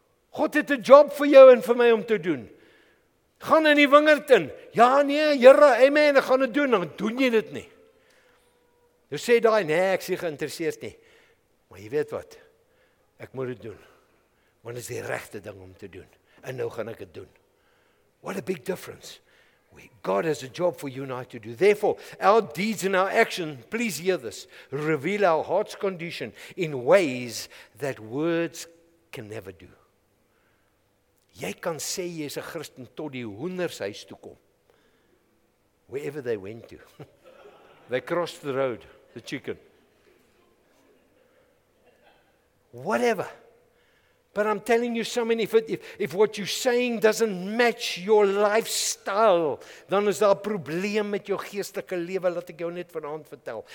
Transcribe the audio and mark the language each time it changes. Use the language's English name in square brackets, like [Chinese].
[Afrikaans] God het 'n job vir jou en vir my om te doen. Gaan in die wingerd in. Ja, nee, Here, amen, ek gaan dit doen. Dan doen jy dit nie. Jy sê daai, nee, ek is geïnteresseerd nie. Maar jy weet wat? Ek moet dit doen. Want dit is die regte ding om te doen. En nou gaan ek dit doen. [English] What a big difference. God has a job for you and I to do. Therefore, our deeds and our action, please hear this, reveal our heart's condition in ways that words can never do. [Afrikaans] Jy kan sê jy is 'n Christen tot die hoenders huis toe kom. [English] Wherever they went to. They crossed the road, the chicken. Whatever. But I'm telling you something, if what you're saying doesn't match your lifestyle, [Afrikaans] dan is daar 'n probleem met jou geestelike lewe, laat ek jou net vanaand vertel.